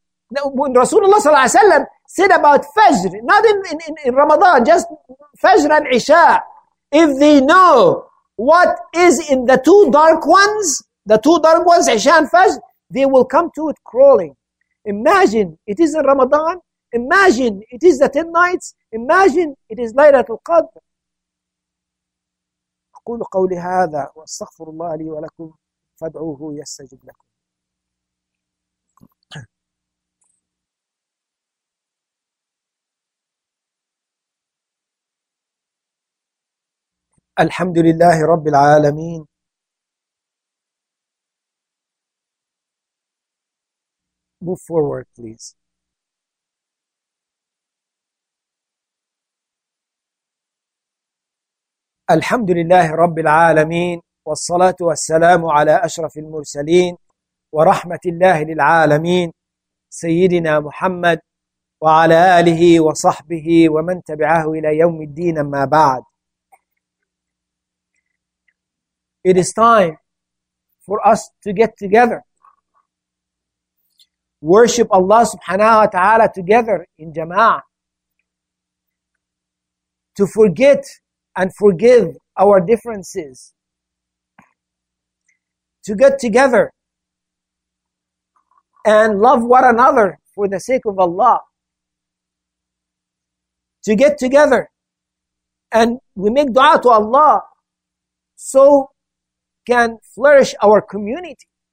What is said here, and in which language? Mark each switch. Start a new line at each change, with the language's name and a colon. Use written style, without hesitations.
English: When Rasulullah sallallahu alaihi wasallam said about Fajr, not in Ramadan, just Fajr and Isha. If they know what is in the two dark ones, Isha and Fajr, they will come to it crawling. Imagine it is in Ramadan. Imagine it is the 10 nights. Imagine it is Laylatul Qadr.
Arabic: أقول قولي هذا وأستغفر الله لي ولكم فادعوه يستجب لكم. الحمد لله رب العالمين
English: Move forward, please.
Arabic: الحمد لله رب العالمين والصلاة والسلام على أشرف المرسلين ورحمة الله للعالمين سيدنا محمد وعلى آله وصحبه ومن تبعه إلى يوم الدين ما بعد.
English: It is time for us to get together, worship Allah subhanahu wa ta'ala together in jama'ah, to forget and forgive our differences, to get together and love one another for the sake of Allah, to get together and we make dua to Allah so can flourish our community.